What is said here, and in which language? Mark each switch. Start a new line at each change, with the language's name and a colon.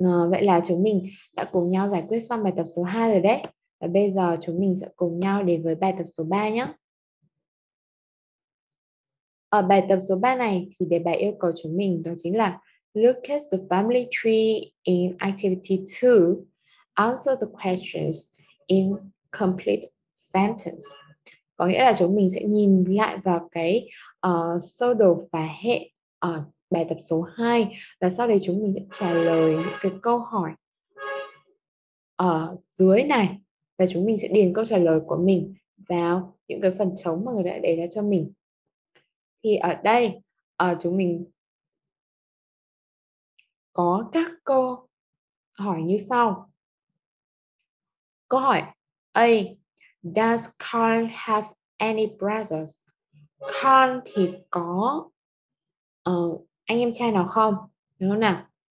Vietnamese: Vậy là chúng mình đã cùng nhau giải quyết xong bài tập số 2 rồi đấy. Và bây giờ chúng mình sẽ cùng nhau đến với bài tập số 3 nhé. Ở bài tập số 3 này thì đề bài yêu cầu chúng mình đó chính là
English: Look at the family tree in activity 2. Answer the questions in complete sentence.
Vietnamese: Có nghĩa là chúng mình sẽ nhìn lại vào cái sơ đồ và hệ ở bài tập số 2 và sau đấy chúng mình sẽ trả lời những cái câu hỏi ở dưới này và chúng mình sẽ điền câu trả lời của mình vào những cái phần trống mà người ta để ra cho mình. Thì ở đây chúng mình có các câu hỏi như sau. Câu hỏi A,
English: does Carl have any brothers?
Vietnamese: Carl thì có anh em trai nào không? Đúng không nào?